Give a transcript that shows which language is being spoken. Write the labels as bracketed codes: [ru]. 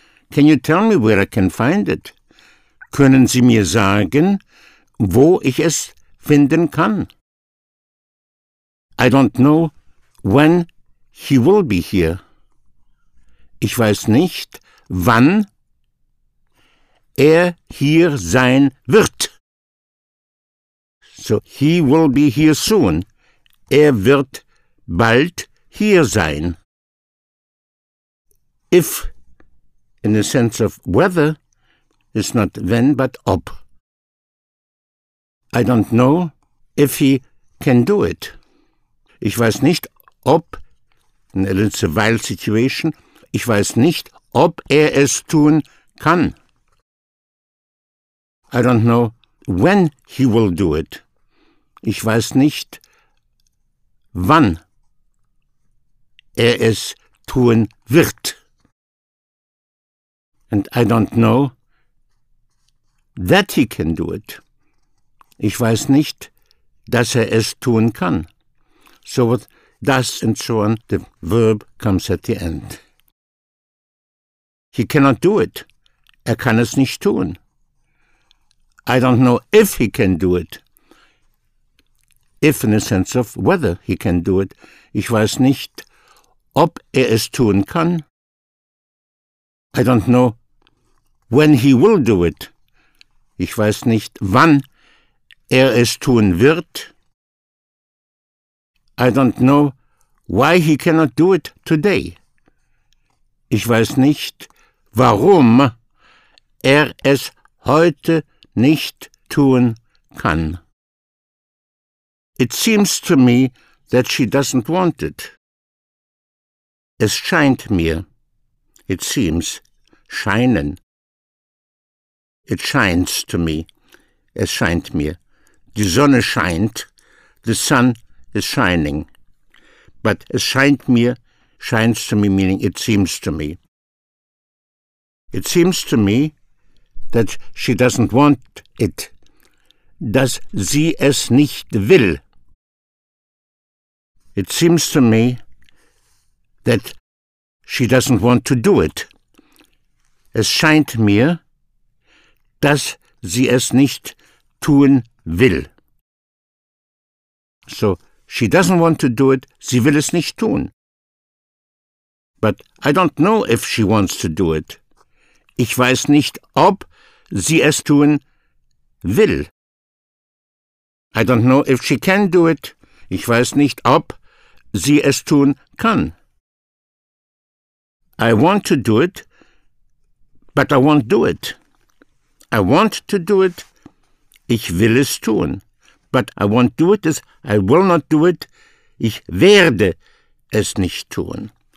[en] Can you tell me where I can find it? [de] Können Sie mir sagen, wo ich es finden kann? [en] I don't know when he will be here. [de] Ich weiß nicht, wann er hier sein wird. [en] So, he will be here soon. [de] Er wird bald hier sein. [en] If, in the sense of whether, is not when, but ob. I don't know if he can do it. [de] Ich weiß nicht, ob, [en] in a little while situation, [de] ich weiß nicht, ob er es tun kann. [en] I don't know when he will do it. [de] Ich weiß nicht, wann er es tun wird. [en] And I don't know that he can do it. [de] Ich weiß nicht, dass er es tun kann. [en] So with das and so on, the verb comes at the end. He cannot do it. [de] Er kann es nicht tun. [en] I don't know if he can do it. If in a sense of whether he can do it. [de] Ich weiß nicht, ob er es tun kann. [en] I don't know when he will do it. [de] Ich weiß nicht, wann er es tun wird. [en] I don't know why he cannot do it today. [de] Ich weiß nicht, warum er es heute nicht tun kann. [en] It seems to me that she doesn't want it. [de] Es scheint mir. [en] It seems. [de] Scheinen. [en] It shines to me. [de] Es scheint mir. Die Sonne scheint. [en] The sun is shining. But [de] es scheint mir, [en] shines to me, meaning it seems to me. It seems to me that she doesn't want it. [de] Dass sie es nicht will. [en] It seems to me that she doesn't want to do it. [de] Es scheint mir, dass sie es nicht tun will. [en] So, she doesn't want to do it, [de] sie will es nicht tun. [en] But I don't know if she wants to do it. [de] Ich weiß nicht, ob sie es tun will. [en] I don't know if she can do it. [de] Ich weiß nicht, ob sie es tun kann. [en] I want to do it, but I won't do it. I want to do it, [de] ich will es tun. [en] But I won't do it is, I will not do it, [de] ich werde es nicht tun.